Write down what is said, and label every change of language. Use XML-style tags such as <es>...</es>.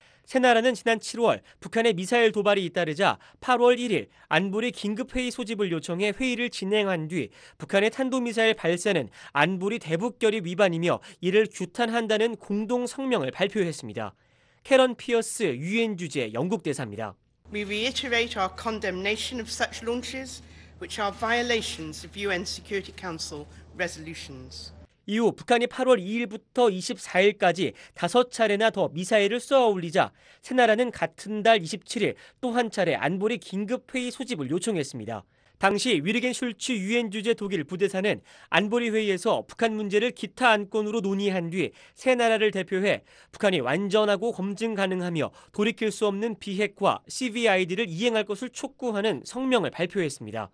<ko>세 나라는 지난 7월 북한의 미사일 도발이 잇따르자 8월 1일 안보리 긴급회의 소집을 요청해 회의를 진행한 뒤 북한의 탄도미사일 발사는 안보리 대북결의 위반이며 이를 규탄한다는 공동 성명을 발표했습니다. 캐런 피어스 유엔 주재 영국 대사입니다.</ko> <en>We reiterate our condemnation of such launches. Which are violations of UN Security Council resolutions.</en> <ko>이후 북한이 8월 2일부터 24일까지 5차례나 더 미사일을 쏘아 올리자 세 나라는 같은 달 27일 또 한 차례 안보리 긴급회의 소집을 요청했습니다. 당시 위르겐 슐츠 유엔 주재 독일 부대사는 안보리 회의에서 북한 문제를 기타 안건으로 논의한 뒤 세 나라를 대표해 북한이 완전하고 검증 가능하며 돌이킬 수 없는 비핵화 CVID를 이행할 것을 촉구하는 성명을 발표했습니다.</ko>